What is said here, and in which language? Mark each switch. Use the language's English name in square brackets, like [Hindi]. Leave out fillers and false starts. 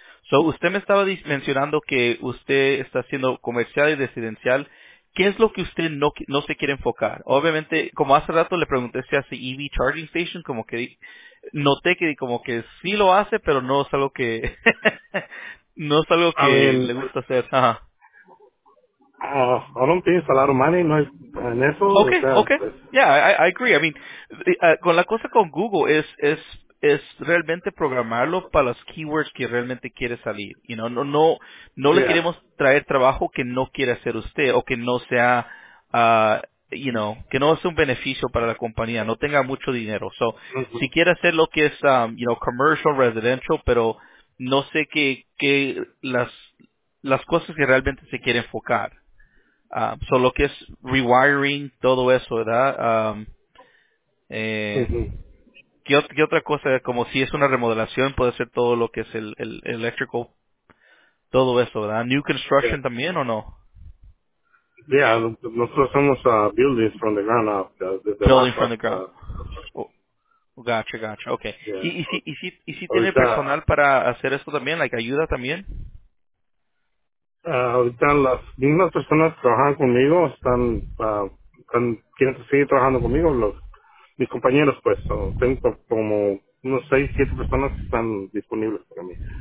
[Spanish] So, usted me estaba mencionando que usted está haciendo comercial y residencial. ¿Qué es lo que usted no se quiere enfocar? Obviamente, como hace rato le pregunté si hace EV charging station, como que noté que como que sí lo hace, pero no es algo que no es algo que le gusta hacer. Ajá. [English] I don't think it's a lot of money, [Spanish] no es en eso. [English] Okay, yeah, I agree. I mean, [Spanish] con la cosa con Google es realmente programarlo para los keywords que realmente quiere salir. [English] You know, [Spanish] no le queremos traer trabajo que no quiere hacer usted o que no sea, [English] you know, [Spanish] que no sea un beneficio para la compañía, no tenga mucho dinero. So, si quiere hacer lo que es, [English] you know, commercial, residential, [Spanish] pero no sé qué las cosas que realmente se quiere enfocar. So, lo que es rewiring, todo eso, ¿verdad? ¿Qué otra cosa? Como si es una remodelación, puede ser todo lo que es el electrical, todo eso, ¿verdad? [English] ¿New construction [Spanish] también o no? [English] Yeah, [Spanish] nosotros hacemos [English] buildings from the ground up. Building from the ground. Gotcha. Okay. Yeah. [Spanish] ¿Y si tiene personal para hacer esto también, like ayuda también? Ahorita las mismas personas que trabajan conmigo están quieren seguir trabajando conmigo, mis compañeros, pues, tengo como unos 6-7 personas que están disponibles para mí.